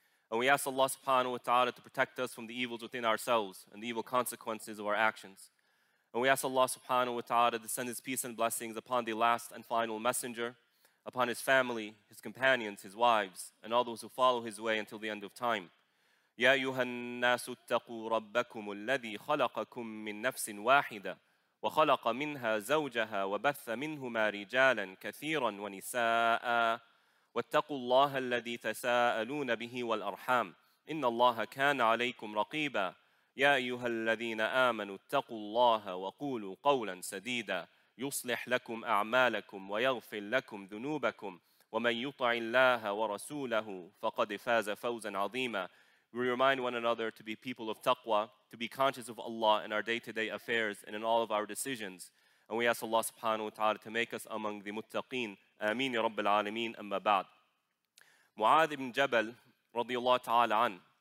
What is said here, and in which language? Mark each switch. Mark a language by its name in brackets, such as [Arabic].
[English] And we ask Allah subhanahu wa ta'ala to protect us from the evils within ourselves and the evil consequences of our actions. And we ask Allah subhanahu wa ta'ala to send His peace and blessings upon the last and final messenger, upon His family, His companions, His wives, and all those who follow His way until the end of time. [Arabic] يا أيها الناس اتقوا ربكم الذي خلقكم من نفس واحدة وخلق منها زوجها وبث منهما رجالا كثيرا ونساء واتقوا الله الذي تساءلون به والأرحام إن الله كان عليكم رقيبا يا أيها الذين آمنوا اتقوا الله وقولوا قولا سديدا يصلح لكم أعمالكم ويغفر لكم ذنوبكم ومن يطع الله ورسوله فقد فاز فوزا عظيما. [English] We remind one another to be people of taqwa, to be conscious of Allah in our day-to-day affairs and in all of our decisions. And we ask Allah subhanahu wa ta'ala to make us among the muttaqeen. [Arabic] Ameen ya rabbil alameen. Amma ba'd. [English] Mu'adh ibn Jabal radiyallahu ta'ala an.